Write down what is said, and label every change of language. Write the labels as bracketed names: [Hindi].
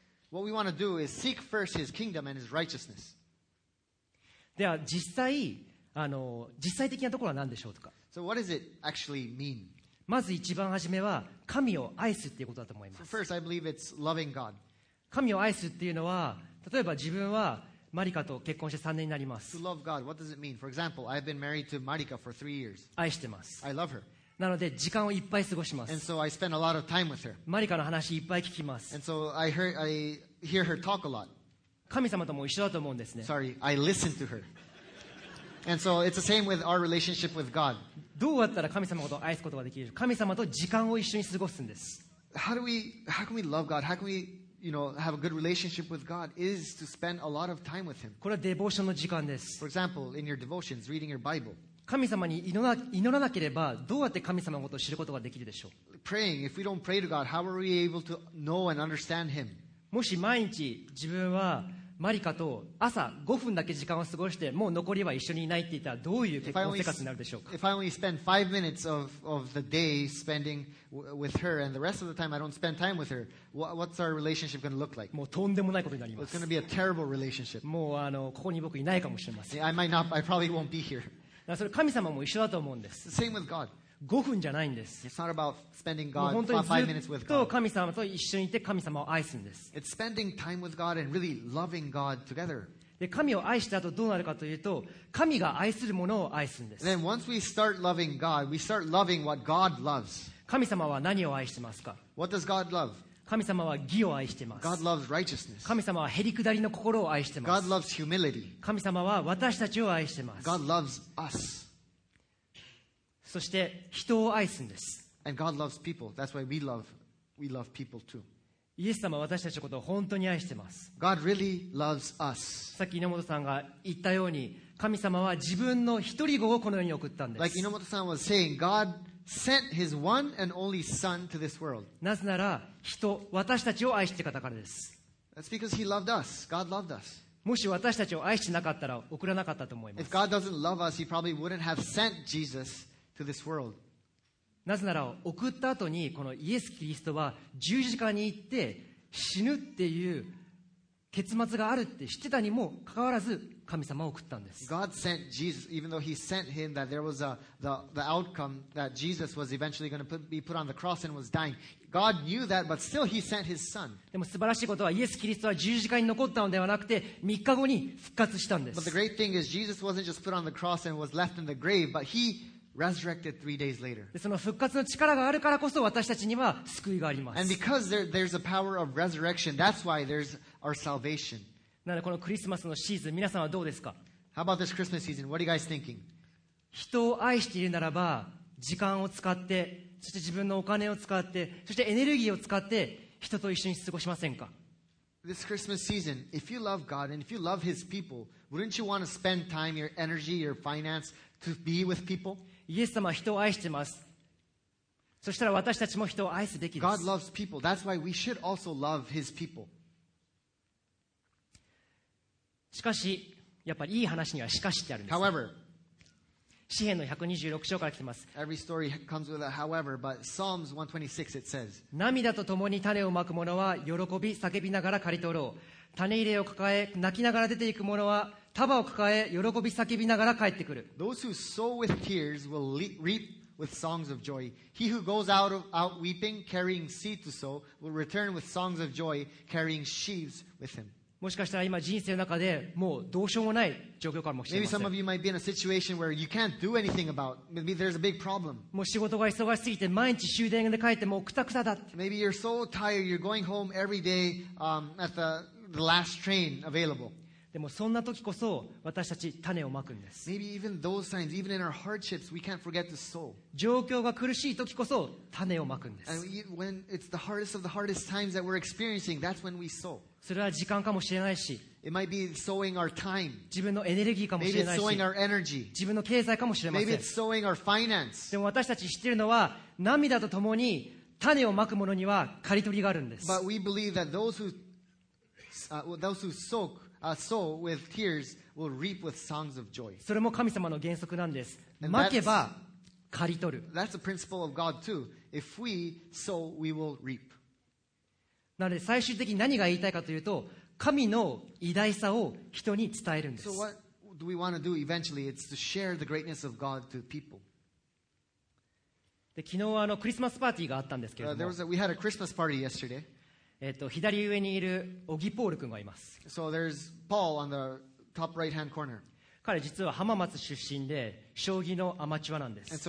[English] What we want to do is seek first his kingdom and his righteousness. [Japanese] では実際的なところは何でしょうとか。 [English] So what does it actually mean? [Japanese] まず一番初めは神を愛すっていうことだと思います。 [English] So first, I believe it's loving God. [Japanese] 神を愛すっていうのは、例えば自分はマリカと結婚して3年になります。 [English] To love God, what does it mean? For example, I've been married to Marika for 3 years. [Japanese] 愛してます。 [English] I love her. [Japanese] なので時間をいっぱい過ごします。 [English] And so I spend a lot of time with her. [Japanese] マリカの話いっぱい聞きます。 [English] And so I hear her talk a lot. [Japanese] 神様とも一緒だと思うんですね。 [English] Sorry, I listen to her. And so it's the same with our relationship with God. [Japanese] どうやったら神様のことを愛すことができる？神様と時間を一緒に過ごすんです。 [English] How can we love God? How can we, you know, have a good relationship with God? Is to spend a lot of time with Him. [Japanese] これはデボーションの時間です。 [English] For example, in your devotions, reading your Bible. [Japanese] 神様に祈らなければどうやって神様のことを知ることができるでしょう。 [English] Praying, if we don't pray to God, how are we able to know and understand Him? [Japanese] もし毎日自分はマリカと朝5分だけ時間を過ごしてもう残りは一緒にいないって言ったらどういう結婚生活になるでしょうか。 [English] If I only spend 5 minutes of the day spending with her and the rest of the time I don't spend time with her, what's our relationship going to look like? [Japanese] もうとんでもないことになります。 [English] It's going to be a terrible relationship. [Japanese] もうここに僕いないかもしれません。 [English] I might not, I probably won't be here. [Japanese] それ神様も一緒だと思うんです。 [English] Same with God. [Japanese] 5分じゃないんです。 [English] It's not about spending God 5 minutes with God. [Japanese] 本当にずっと神様と一緒にいて神様を愛すんです。 [English] It's spending time with God and really loving God together. [Japanese] で、神を愛した後どうなるかというと、神が愛するものを愛すんです。 [English] Then once we start loving God, we start loving what God loves. [Japanese] 神様は何を愛してますか？ [English] What does God love? [Japanese] 神様は義を愛してます。 [English] God loves righteousness. [Japanese] 神様はへりくだりの心を愛してます。 [English] God loves humility. [Japanese] 神様は私たちを愛してます。 [English] God loves us. [Japanese] そして人を愛すんです。 [English] And God loves people. That's why we love people too. [Japanese] イエス様は私たちのことを本当に愛してます。 [English] God really loves us. [Japanese] さっき猪本さんが言ったように、神様は自分の一人子をこの世に送ったんです。 [English] Like 猪本さん was saying, God sent His one and only Son to this world. [Japanese] なぜなら人、私たちを愛してたからです。 [English] That's because He loved us. God loved us. [Japanese] もし私たちを愛してなかったら送らなかったと思います。 [English] If God doesn't love us, He probably wouldn't have sent Jesus. To this world. [Japanese] なぜなら送った後にこのイエス・キリストは十字架に行って死ぬっていう結末があるって知ってたにもかかわらず神様を送ったんです。 [English] God sent Jesus, even though He sent Him, that there was the outcome that Jesus was eventually going to be put on the cross and was dying. God knew that, but still He sent His Son. [Japanese] でも素晴らしいことはイエス・キリストは十字架に残ったのではなくて3日後に復活したんです。 [English] But the great thing is Jesus wasn't just put on the cross and was left in the grave, but HeResurrected three days later. [Japanese] その復活の力があるからこそ私たちには救いがあります。 [English] And because there's a power of resurrection, that's why there's our salvation. [Japanese] なのでこのクリスマスのシーズン、皆さんはどうですか？ [English] How about this Christmas season? What are you guys thinking? [Japanese] 人を愛しているならば、時間を使って、そして自分のお金を使って、そしてエネルギーを使って、人と一緒に過ごしませんか？ [English] This Christmas season, if you love God and if you love His people, wouldn't you want to spend time, your energy, your finance to be with people? [Japanese] イエス様は人を愛しています。そしたら私たちも人を愛すべきです。 [English] God loves people. That's why we should also love His people. [Japanese] しかし、やっぱりいい話にはしかしってあるんです。 [English] However, [Japanese] 詩篇の126章から来ています。 [English] Every story comes with a however, but Psalms 126 it says, [Japanese] 涙と共に種をまく者は喜び叫びながら刈り取ろう。種入れを抱え泣きながら出ていく者は束を抱え喜び叫びながら帰ってくる。 [English] Those who sow with tears will reap with songs of joy. He who goes out weeping, carrying seed to sow, will return with songs of joy, carrying sheaves with him. [Japanese] もしかしたら今人生の中でもうどうしようもない状況かもしれません。 [English] Maybe some of you might be in a situation where you can't do anything about. Maybe there's a big problem. [Japanese] もう仕事が忙しすぎて毎日終電で帰ってもうクタクタだって。 [English] Maybe you're so tired, you're going home every day at the last train available. [Japanese] でもそんな時こそ私たち種をまくんです。 [English] Maybe even those times, even in our hardships, we can't forget to sow. [Japanese] 状況が苦しい時こそ種をまくんです。 [English] And when it's the hardest of the hardest times that we're experiencing, that's when we sow. [Japanese] それは時間かもしれないし、 [English] It might be sowing our time. [Japanese] 自分のエネルギーかもしれないし、 [English] Maybe it's sowing our energy. [Japanese] 自分の経済かもしれません。 [English] Maybe it's sowing our finance. [Japanese] でも私たち知っているのは、涙とともに種をまく者には刈り取りがあるんです。 [English] But we believe that those who sowSo with tears will reap with songs of joy. [Japanese] それも神様の原則なんです。まけば刈り取る。 [English] That's the principle of God too. If we sow, we will reap. [Japanese] なので最終的に何が言いたいかというと、神の偉大さを人に伝えるんです。 [English] So what do we want to do eventually? It's to share the greatness of God to people. [Japanese] で昨日はクリスマスパーティーがあったんですけれども。 [English] We had a Christmas party yesterday. [Japanese] 左上にいるオギポール君がいます。 [English] So there's Paul on the top right-hand corner. [Japanese] 彼実は浜松出身で将棋のアマチュアなんです。